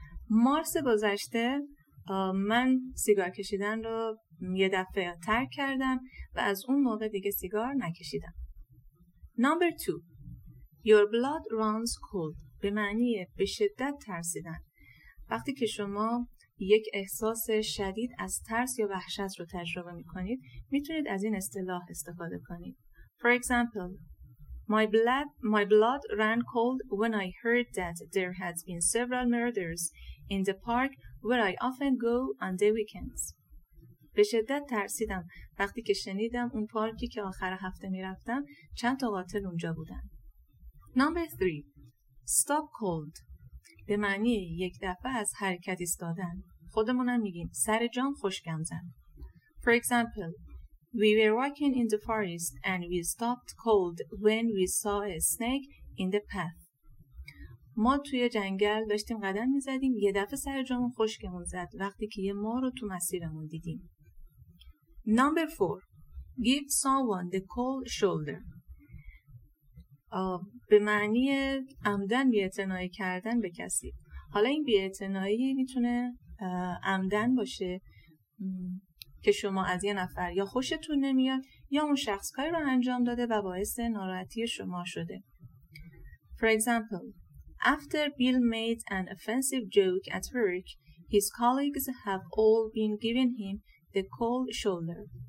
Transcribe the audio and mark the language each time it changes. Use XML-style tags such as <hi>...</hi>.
<fa>مارس گذشته من سیگار کشیدن رو یه دفعه ترک کردم و از اون موقع دیگه سیگار نکشیدم.</fa> <en>Number 2. Your blood runs cold</en> <fa>به معنی به شدت ترسیدن. وقتی که شما یک احساس شدید از ترس یا وحشت رو تجربه می‌کنید، می‌تونید از این اصطلاح استفاده کنید.</fa> <en>For example, my blood ran cold when I heard that there had been several murders in the park where I often go on the weekends.</en> <fa>به شدت ترسیدم وقتی که شنیدم اون پارکی که آخر هفته می رفتم چند تا قاتل اونجا بودن.</fa> <en>Number 3. Stop cold.</en> <fa>به معنی یک دفعه از حرکت ایستادن. خودمونم میگیم سر جام خشکم زد.</fa> <en>For example, we were walking in the forest and we stopped cold when we saw a snake in the path.</en> <fa>ما توی جنگل داشتیم قدم می‌زدیم، یه دفعه سر جامون خشکمون زد وقتی که یه مار رو تو مسیرمون دیدیم.</fa> <en>Number 4. Give someone the cold shoulder.</en> <fa>به معنی عمدن بی‌اعتنایی کردن به کسی. حالا این بی‌اعتنایی میتونه عمدن باشه که شما از یه نفر یا خوشتون نمیاد یا اون شخص کاری رو انجام داده و باعث ناراحتی شما شده.</fa> <en>For example, after Bill made an offensive joke at work, his colleagues have all been giving him the cold shoulder.</en>